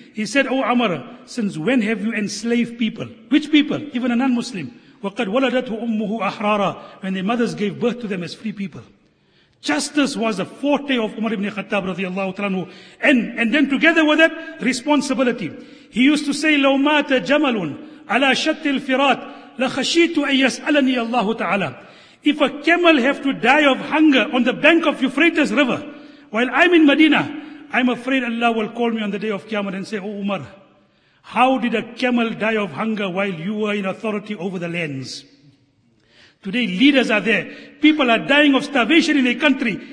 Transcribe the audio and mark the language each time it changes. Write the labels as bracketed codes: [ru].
[en] He said, "Oh Amr, since when have you enslaved people?" Which people? Even a non-Muslim. [ar] وَقَدْ وَلَدَتْهُ أُمُّهُ أَحْرَارًا. [en] When their mothers gave birth to them as free people. Justice was a forte of Umar ibn Khattab radiallahu ta'ala anhu. And then together with that, responsibility. He used to say, [ar] لَوْ مَاتَ جَمَلٌ عَلَى شَتِّ الْفِرَاتِ لَخَشِيتُ أَن يَسْأَلَنِي اللَّهُ تَعَالَى. [en] If a camel have to die of hunger on the bank of Euphrates River, while I'm in Medina, I'm afraid Allah will call me on the day of Qiyamah and say, "Oh Umar, how did a camel die of hunger while you were in authority over the lands?" Today leaders are there. People are dying of starvation in a country.